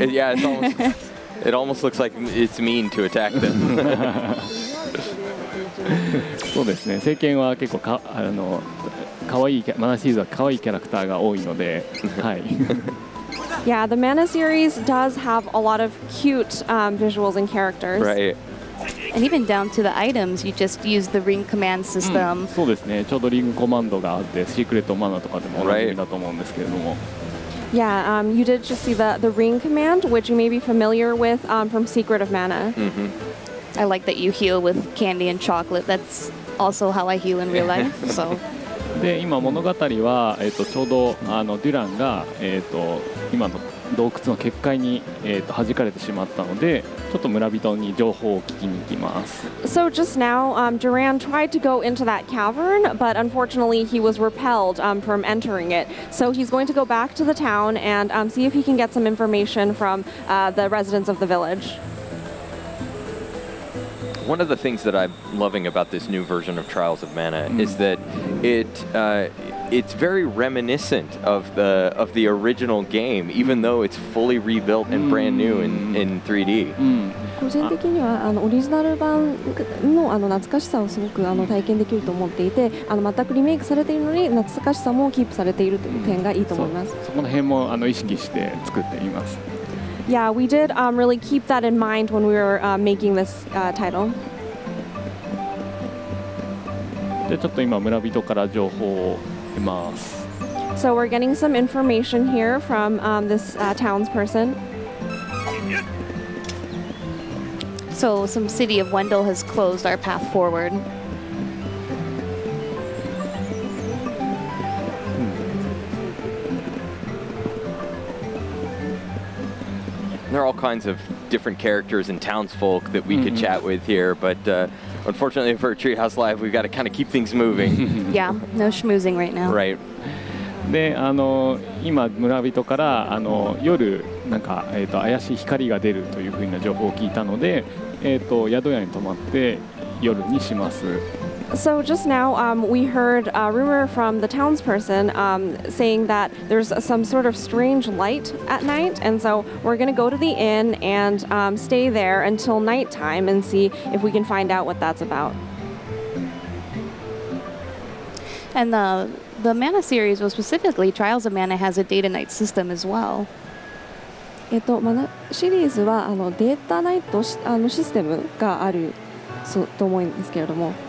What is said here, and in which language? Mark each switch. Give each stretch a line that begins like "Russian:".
English: It's almost, it almost looks like it's mean to attack them.
Japanese: そうですね。聖剣は結構か、あの、かわいい、マナシーズはかわいいキャラクターが多いので、はい。
English: Yeah, the Mana series does have a lot of cute visuals and characters. Right. And even down to the items, you just use the ring command system.
Japanese: そうですね。ちょうどリングコマンドがあって、シークレットマナとかでも同じだと思うんですけれども。
English: Yeah, you did just see the ring command, which you may be familiar with from Secret of Mana. Mm-hmm. I like that you heal with candy and chocolate. That's also how I heal in real life. So.
Japanese: で今物語は、ちょうどあのデュランが、今の洞窟の結界に、弾かれてしまったのでちょっと村人に情報を聞きに行きます。
English: So just now, Duran tried to go into that cavern, but unfortunately he was repelled from entering it. So he's going to go back to the town and see if he can get some information from the residents of the village. One of the things that I'm loving about this new version of Trials of Mana is that it's very reminiscent of the original game, even though it's fully rebuilt and brand new in 3D.
Japanese: 個人的にはあのオリジナル版 の, あの懐かしさをすごくあの体験できると思っていてあの全くリメイクされているのに懐かしさもキープされているという点がいいと思います。そこの辺もあの意識して作っています。
English: Yeah, we did really keep that in mind when we were making this title.
Japanese: でちょっと今村人から情報を得ます。
English: So we're getting some information here from this townsperson. So some city of Wendell has closed our path forward. There are all kinds of different characters and townsfolk that we mm-hmm. could chat with here, but unfortunately for Treehouse Live, we've got to kind of keep things moving. Yeah, no schmoozing right now. Right.
Japanese: で、あの、今村人から、あの、夜、なんか、怪しい光が出るというふうな情報を聞いたので、宿屋に泊まって夜にします。
English: So just now we heard a rumor from the townsperson saying that there's some sort of strange light at night and so we're going to go to the inn and stay there until nighttime and see if we can find out what that's about. And the Mana series, well specifically Trials of Mana, has a day to night system as well.
Japanese: マナシリーズはあのデータナイトあのシステムがあるそうと思うんですけれども。